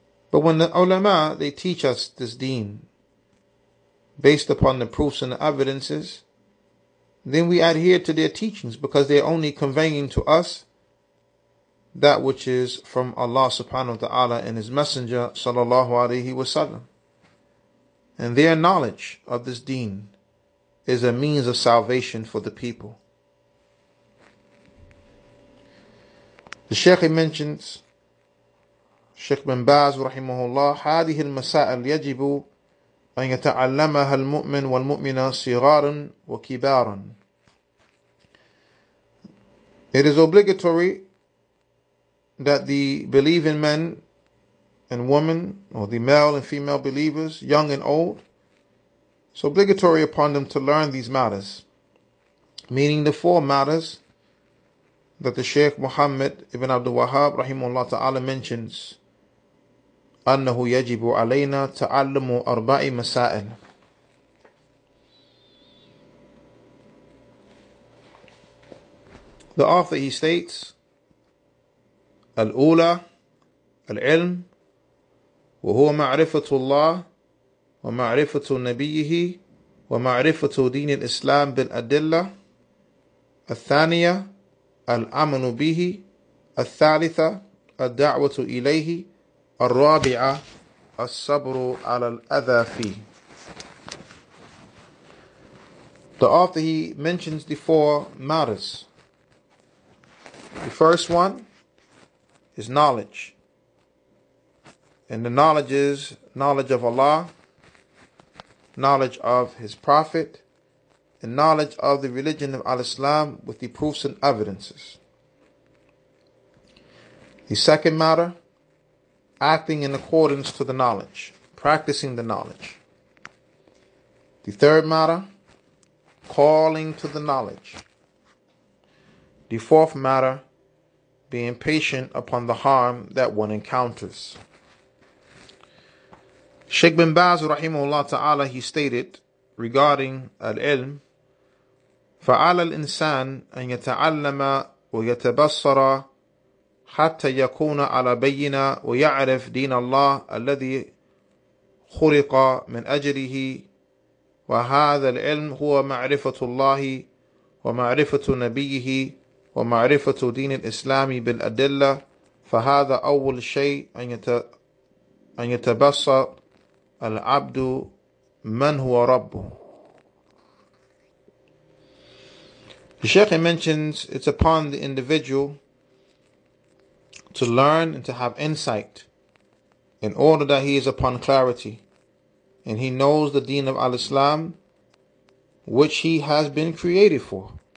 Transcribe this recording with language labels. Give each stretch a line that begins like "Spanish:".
English: But when the ulama, they teach us this deen based upon the proofs and the evidences, then we adhere to their teachings because they're only conveying to us that which is from Allah subhanahu wa ta'ala and His Messenger sallallahu alaihi wasallam. And their knowledge of this deen is a means of salvation for the people. The Shaykh mentions, Shaykh bin Baz rahimahullah,
Arabic: هذه المسائل يجب أن يتعلمها المؤمن والمؤمنة صغارا وكبارا.
English: It is obligatory that the believing men and women, or the male and female believers, young and old, it's obligatory upon them to learn these matters, meaning the four matters that the Shaykh Muhammad ibn Abdul Wahhab rahimahullah ta'ala mentions.
Arabic: أَنَّهُ يَجِبُ عَلَيْنَا تَعَلَّمُ أَرْبَعِ مَسَائِلَ.
English: The author, he states,
Arabic: الأولى العلم وهو معرفة الله ومعرفة نبيه ومعرفة دين الإسلام بالأدلة. الثانية الأمن به. الثالثة الدعوة إليه. الرابعة الصبر على الأذى فيه.
English: The author, he mentions the four matters. The first one is knowledge. And the knowledge is knowledge of Allah, knowledge of His Prophet, and knowledge of the religion of Al-Islam with the proofs and evidences. The second matter, acting in accordance to the knowledge, practicing the knowledge. The third matter, calling to the knowledge. The fourth matter, being patient upon the harm that one encounters. Sheikh bin Baz rahimahullah ta'ala, he stated regarding al-ilm,
Arabic: فَعَلَى الْإِنسَانِ أَنْ يَتَعَلَّمَ وَيَتَبَصَّرَ حَتَّى يَكُونَ عَلَى بَيِّنَا وَيَعْرِفْ دِينَ اللَّهِ الَّذِي خُلِقَ مِنْ أَجْرِهِ وَهَذَا الْعِلْمُ هُوَ مَعْرِفَةُ اللَّهِ وَمَعْرِفَةُ نَبِيِّهِ وَمَعْرِفَةُ دِينِ الْإِسْلَامِ بِالْأَدِلَّةِ فَهَذَا أَوَّلُ شَيْءٍ أَنْ يَتَبَصَّرَ الْعَبْدُ مَنْ هُوَ رَبُّهُ.
English: The Shaykh mentions it's upon the individual to learn and to have insight in order that he is upon clarity and he knows the deen of Al-Islam which he has been created for.